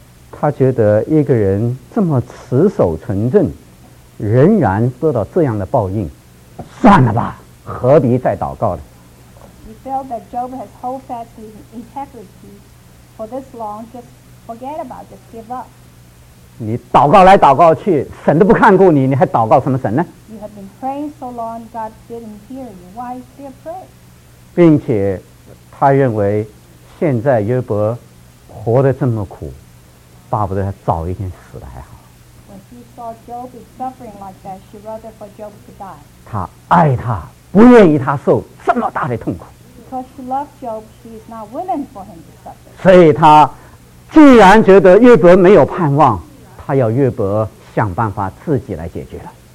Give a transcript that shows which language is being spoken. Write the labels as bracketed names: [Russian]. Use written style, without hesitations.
[Chinese] 他觉得一个人这么持守纯正仍然得到这样的报应，算了吧，何必再祷告呢？ [English] He felt that Job has hold fast to integrity for this long, just forget about, just give up. [Chinese] 你祷告来祷告去，神都不看顾你，你还祷告什么神呢？ [English] You have been praying so long, God didn't hear you. Why still pray? [Chinese] 并且他认为现在约伯活得这么苦，巴不得他早一点死的还好。 [English] When she saw Job is suffering like that, she rather for Job to die. [Chinese] 他爱他，不愿意他受这么大的痛苦。 [English] Because she loved Job, she is not willing for him to suffer. [Chinese] 所以他既然觉得约伯没有盼望，他要约伯想办法自己来解决了。